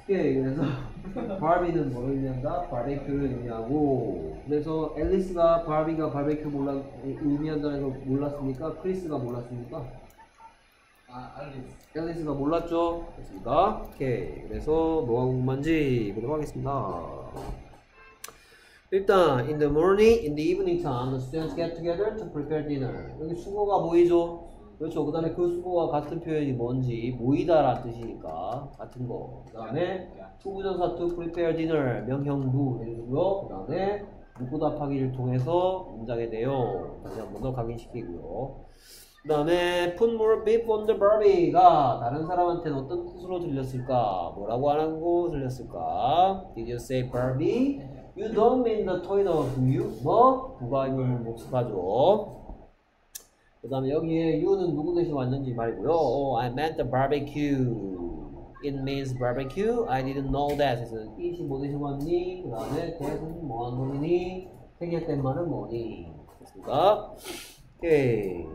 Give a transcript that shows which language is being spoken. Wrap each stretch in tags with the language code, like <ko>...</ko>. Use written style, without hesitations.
<ko>오케이, 그래서 바비는 뭘 의미한다? 바베큐를 의미하고. 그래서 앨리스가 바비가 바베큐 몰라 의미한다는 걸 몰랐습니까? 크리스가 몰랐습니까? 아, 앨리스. 앨리스가 몰랐죠? 됐습니다. 오케이. 그래서 뭐가 궁금한지 보도록 하겠습니다. 일단,</ko> <en>in the morning, in the evening time, the students get together to prepare dinner.</en> <ko>여기 수고가 모이죠? 그렇죠. 그 다음에 그 수고가 같은 표현이 뭔지, 모이다라는 뜻이니까, 같은 거. 그 다음에, 투부정사</ko> <en>to prepare dinner,</en> <ko>명형부 해주고요. 그 다음에, 묻고 답하기를 통해서 문장에 대해 다시 한 번 더 각인시키고요. 그 다음에</ko> <en>put more beef on the barbie</en> <ko>가 다른 사람한테는 어떤 뜻으로 들렸을까? 뭐라고 안 하고 들렸을까?</ko> <en>Did you say barbie? You don't mean the toy doll, do you?</en> <ko>뭐? 누가 이걸 목숨하죠? 그 다음에 여기에 you는 누구 대신 왔는지 말이고요.</ko> <en>Oh, I meant the barbecue. It means barbecue. I didn't know that.</en> <ko>그래서 it이 뭐 대신 왔니? 그 다음에 대신 뭐 한 놈이니? 생일 때 말은 뭐니? 됐습니까? 오케이.</ko>